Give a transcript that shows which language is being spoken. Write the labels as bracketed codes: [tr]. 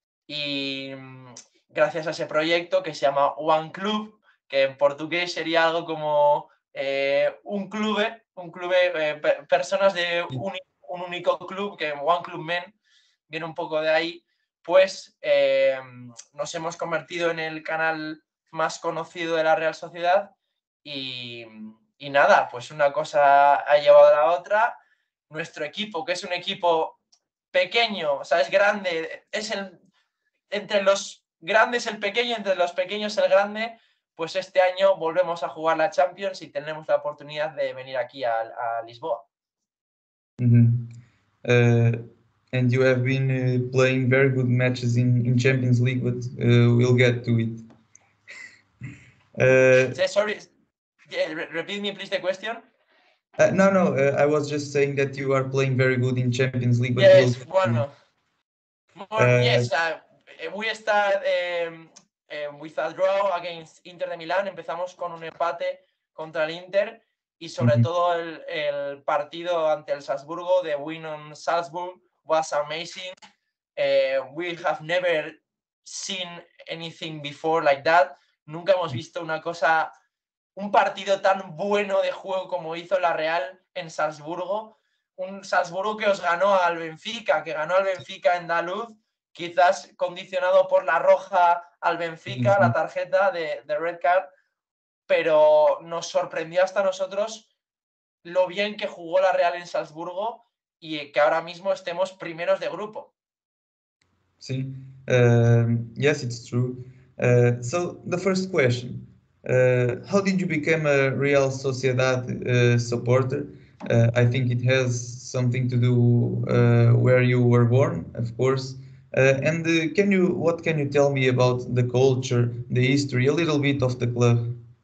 [es] Y gracias a ese proyecto que se llama One Club, que en portugués sería algo como un club, personas de un único club, que One Club Men, viene un poco de ahí, pues nos hemos convertido en el canal más conocido de la Real Sociedad y nada, pues una cosa ha llevado a la otra. Nuestro equipo, que es un equipo pequeño, o sea, es grande, es el... entre los grandes el pequeño, entre los pequeños el grande, pues este año volvemos a jugar la Champions y tenemos la oportunidad de venir aquí a Lisboa. [en] And you have been playing very good matches in Champions League, but we'll get to it. Sorry, repeat me please the question. I was just saying that you are playing very good in Champions League. With a draw against Inter de Milán, [es] empezamos con un empate contra el Inter y sobre todo el partido ante el Salzburgo, [en] the win on Salzburg was amazing. We have never seen anything before like that. [es] Nunca hemos visto una cosa, un partido tan bueno de juego como hizo la Real en Salzburgo. Un Salzburgo que os ganó al Benfica, que ganó al Benfica en Daluz. Quizás condicionado por la roja al Benfica, la tarjeta de Red Card, pero nos sorprendió hasta nosotros lo bien que jugó la Real en Salzburgo y que ahora mismo estemos primeros de grupo. [en] Sí, yes, it's true. So, the first question, how did you become a Real Sociedad supporter? I think it has something to do where you were born, of course. What can you tell me about the culture, the history, a little bit of the club?